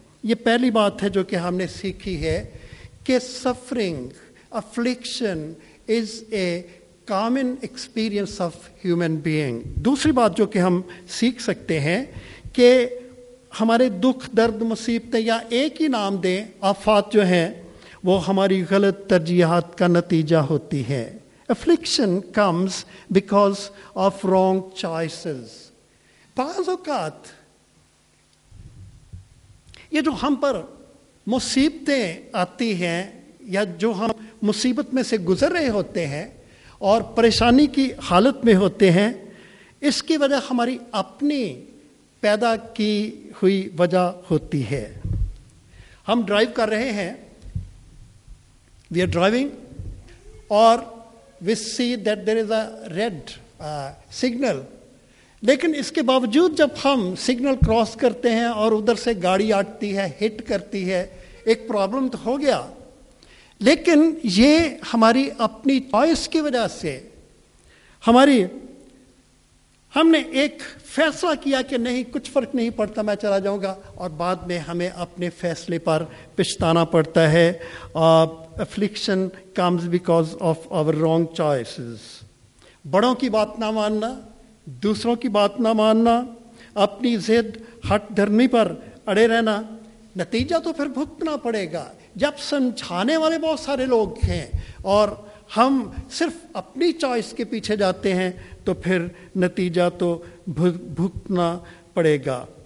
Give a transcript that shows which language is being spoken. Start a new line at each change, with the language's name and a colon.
Urdu: یہ پہلی بات ہے جو کہ ہم نے سیکھی ہے کہ
English: Suffering, affliction, is a common experience of human being.
Urdu: دوسری بات جو کہ ہم سیکھ سکتے ہیں کہ ہمارے دکھ, درد, مصیبتیں, یا ایک ہی نام دیں, آفات جو ہیں, وہ ہماری غلط ترجیحات کا نتیجہ ہوتی ہے.
English: Affliction comes because of wrong choices.
Urdu: بعض اوقات یہ جو ہم پر مصیبتیں آتی ہیں یا جو ہم مصیبت میں سے گزر رہے ہوتے ہیں اور پریشانی کی حالت میں ہوتے ہیں, اس کی وجہ ہماری اپنی پیدا کی ہوئی وجہ ہوتی ہے. ہم ڈرائیو کر رہے ہیں,
English: we are driving اور we see that there is a red signal,
Urdu: لیکن اس کے باوجود جب ہم سگنل کراس کرتے ہیں اور ادھر سے گاڑی اٹکتی ہے, ہٹ کرتی ہے, ایک پرابلم تو ہو گیا, لیکن یہ ہماری اپنی چوائس کی وجہ سے ہماری ہم نے ایک فیصلہ کیا کہ نہیں کچھ فرق نہیں پڑتا, میں چلا جاؤں گا, اور بعد میں ہمیں اپنے فیصلے پر پچھتانا پڑتا ہے.
English: Affliction comes because of our wrong choices.
Urdu: بڑوں کی بات نہ ماننا, دوسروں کی بات نہ ماننا, اپنی ضد ہٹ دھرمی پر اڑے رہنا, نتیجہ تو پھر بھگتنا پڑے گا. جب سمجھانے والے بہت سارے لوگ ہیں اور ہم صرف اپنی چوائس کے پیچھے جاتے ہیں تو پھر نتیجہ تو بھگتنا پڑے گا.